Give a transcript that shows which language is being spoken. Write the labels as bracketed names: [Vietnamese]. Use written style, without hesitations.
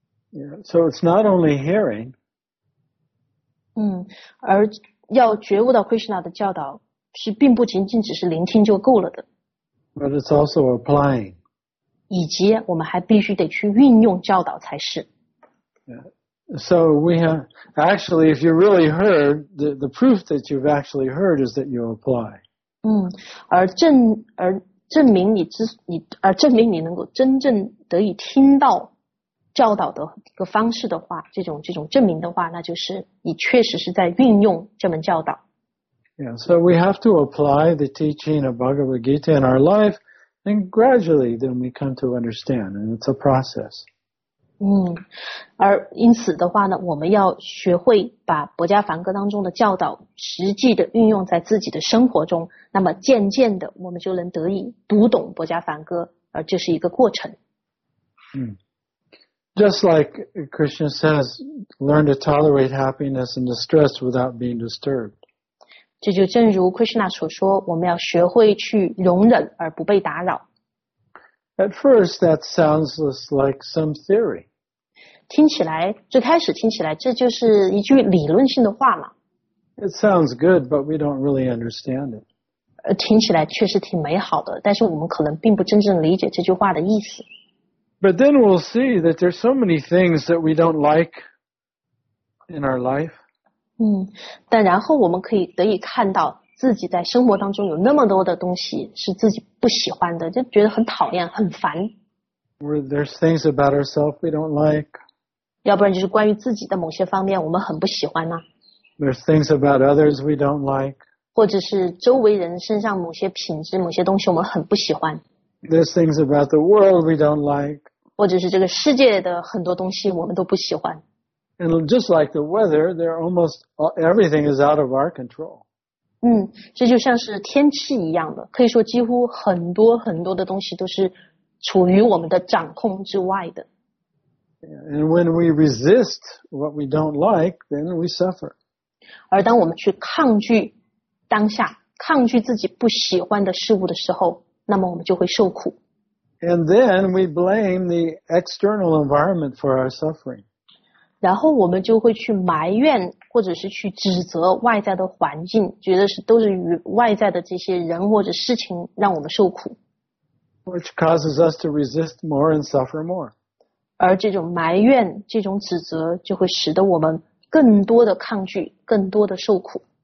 [English] Yeah, so it's not only hearing. [Chinese] 而要觉悟到 Krishna 的教导是并不仅仅只是聆听就够了的。 [English] But it's also applying. [Chinese] 以及我们还必须得去运用教导才是。 [English] Yeah. So we have, actually, if you really heard, the proof that you've actually heard is that you apply. [Chinese] 而证明你能够真正得以听到教导的一个方式的话，这种证明的话，那就是你确实是在运用这门教导。 [English] Yeah, so we have to apply the teaching of Bhagavad Gita in our life, and gradually then we come to understand, and it's a process. [Chinese] 而因此的话呢，我们要学会把博迦梵歌当中的教导实际的运用在自己的生活中，那么渐渐的我们就能得以读懂博迦梵歌，而这是一个过程。 [English] Just like Krishna says, learn to tolerate happiness and distress without being disturbed. [Chinese] 这就正如 Krishna 所说，我们要学会去容忍而不被打扰。 [English] At first, that sounds like some theory. [Chinese] 听起来，最开始听起来，这就是一句理论性的话嘛。 [English] It sounds good, but we don't really understand it. [Chinese] 听起来确实挺美好的，但是我们可能并不真正理解这句话的意思。 [English] But then we'll see that there's so many things that we don't like in our life. [Chinese] 但然后我们可以得以看到自己在生活当中有那么多的东西是自己不喜欢的，就觉得很讨厌，很烦。 [English] Where there's things about ourselves we don't like. [Chinese] 要不然就是关于自己的某些方面我们很不喜欢呢。 [English] There's things about others we don't like. [Chinese] 或者是周围人身上某些品质、某些东西我们很不喜欢。 [English] There's things about the world we don't like. [Chinese] 或者是这个世界的很多东西我们都不喜欢。 [English] And just like the weather, they're almost everything is out of our control. [Chinese] 这就像是天气一样的，可以说几乎很多很多的东西都是处于我们的掌控之外的。 [English] And when we resist what we don't like, then we suffer. [Chinese] 而当我们去抗拒当下，抗拒自己不喜欢的事物的时候，那么我们就会受苦。 [English] And then we blame the external environment for our suffering. [Chinese] 然后我们就会去埋怨或者是去指责外在的环境，觉得是都是与外在的这些人或者事情让我们受苦。 [English] Which causes us to resist more and suffer more. [Chinese] 而这种埋怨，这种指责就会使得我们更多的抗拒，更多的受苦。